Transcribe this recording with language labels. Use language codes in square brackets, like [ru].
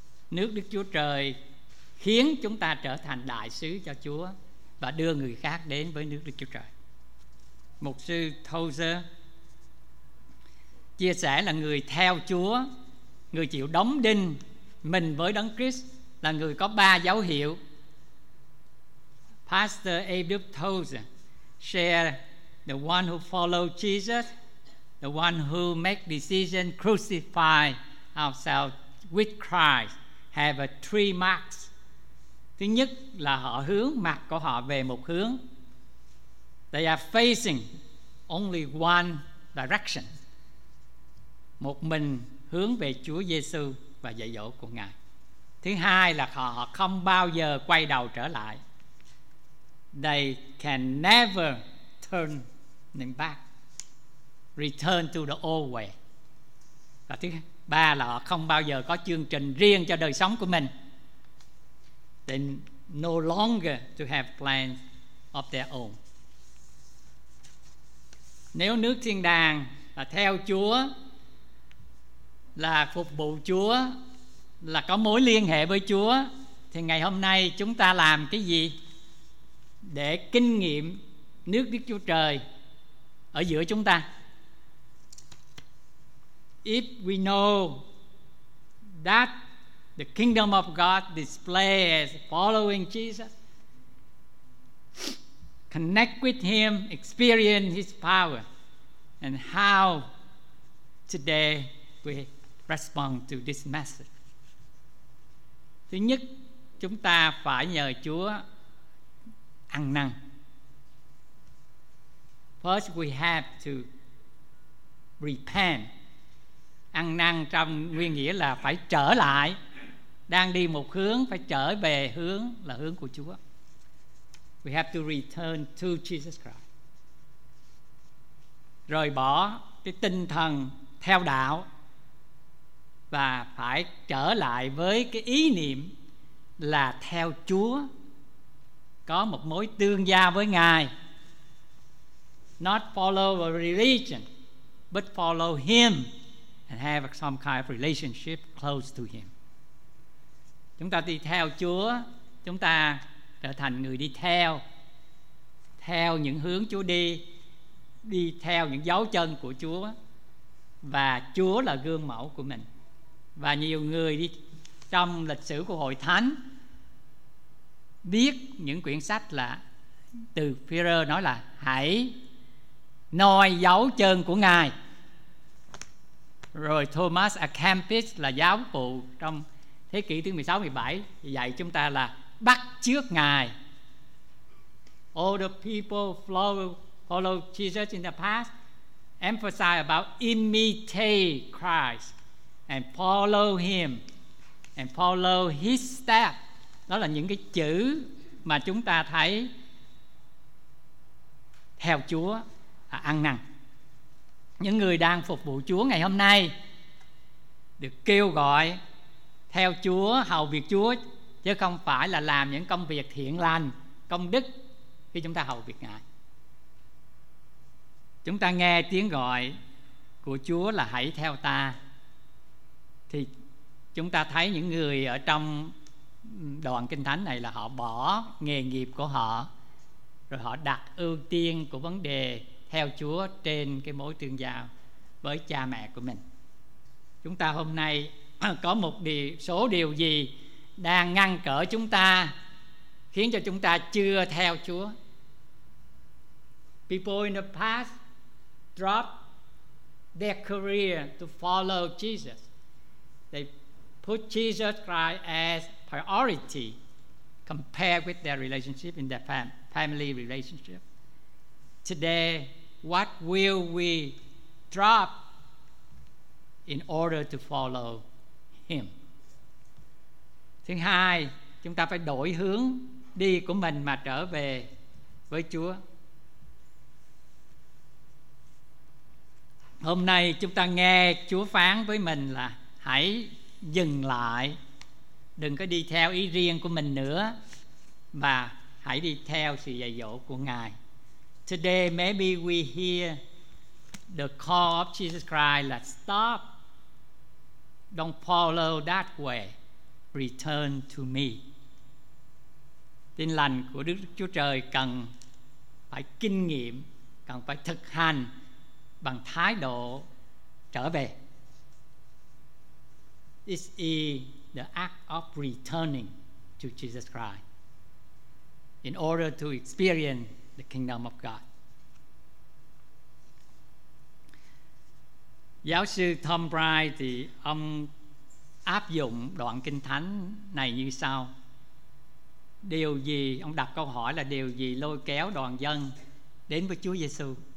[vi] Nước Đức Chúa Trời khiến chúng ta trở thành đại sứ cho Chúa và đưa người khác đến với nước Đức Chúa Trời. Mục sư Tozer chia sẻ là người theo Chúa, người chịu đóng đinh mình với Đấng Christ, là người có ba dấu hiệu. [en] Pastor Abe Tozer share the one who follow Jesus, the one who make decision crucify ourselves with Christ have a three marks. [vi] Thứ nhất là họ hướng mặt của họ về một hướng. [en] They are facing only one direction. [vi] Một mình hướng về Chúa Giêsu và dạy dỗ của Ngài. Thứ hai là họ không bao giờ quay đầu trở lại. [en] They can never turn them back. Return to the old way. [vi] Và thứ ba là họ không bao giờ có chương trình riêng cho đời sống của mình. [en] They no longer to have plans of their own. [vi] Nếu nước thiên đàng là theo Chúa, là phục vụ Chúa, là có mối liên hệ với Chúa, thì ngày hôm nay chúng ta làm cái gì để kinh nghiệm nước Đức Chúa Trời ở giữa chúng ta? [en] If we know that the kingdom of God displays following Jesus, connect with him, experience his power, and how today we respond to this message. [vi] Thứ nhất, chúng ta phải nhờ Chúa ăn năn. [en] First, we have to repent. [vi] Ăn năn trong nguyên nghĩa là phải trở lại. Đang đi một hướng, phải trở về hướng là hướng của Chúa. [en] We have to return to Jesus Christ. [vi] Rời bỏ cái tinh thần theo đạo và phải trở lại với cái ý niệm là theo Chúa, có một mối tương giao với Ngài. [en] Not follow a religion, but follow him and have some kind of relationship close to him. [vi] Chúng ta đi theo Chúa, chúng ta trở thành người đi theo, theo những hướng Chúa đi, đi theo những dấu chân của Chúa. Và Chúa là gương mẫu của mình. Và nhiều người đi trong lịch sử của Hội Thánh biết những quyển sách là từ Führer nói là hãy noi dấu chân của Ngài. Rồi Thomas A Kempis là giáo phụ trong thế kỷ thứ 16-17 dạy chúng ta là bắt chước Ngài. [en] All the people follow Jesus in the past emphasize about imitate Christ and follow his step. [vi] Đó là những cái chữ mà chúng ta thấy theo Chúa là ăn năn. Những người đang phục vụ Chúa ngày hôm nay được kêu gọi theo Chúa, hầu việc Chúa, chứ không phải là làm những công việc thiện lành, công đức khi chúng ta hầu việc Ngài. Chúng ta nghe tiếng gọi của Chúa là hãy theo ta, thì chúng ta thấy những người ở trong đoạn kinh thánh này là họ bỏ nghề nghiệp của họ, rồi họ đặt ưu tiên của vấn đề theo Chúa trên cái mối tương giao với cha mẹ của mình. Chúng ta hôm nay có một số điều gì đang ngăn cỡ chúng ta, khiến cho chúng ta chưa theo Chúa? [en] People in the past dropped their career to follow Jesus. They put Jesus Christ as priority compared with their relationship in their family relationship. Today, what will we drop in order to follow him? [vi] Thứ hai, chúng ta phải đổi hướng đi của mình mà trở về với Chúa. Hôm nay chúng ta nghe Chúa phán với mình là hãy dừng lại, đừng có đi theo ý riêng của mình nữa, và hãy đi theo sự dạy dỗ của Ngài. [en] Today maybe we hear the call of Jesus Christ that stop, don't follow that way, return to me. [vi] Tin lành của Đức Chúa Trời cần phải kinh nghiệm, cần phải thực hành bằng thái độ trở về. [en] This is the act of returning to Jesus Christ in order to experience the kingdom of God. [vi] Giáo sư Tom Bright thì ông áp dụng đoạn kinh thánh này như sau. Điều gì, ông đặt câu hỏi là điều gì lôi kéo đoàn dân đến với Chúa Giê-xu?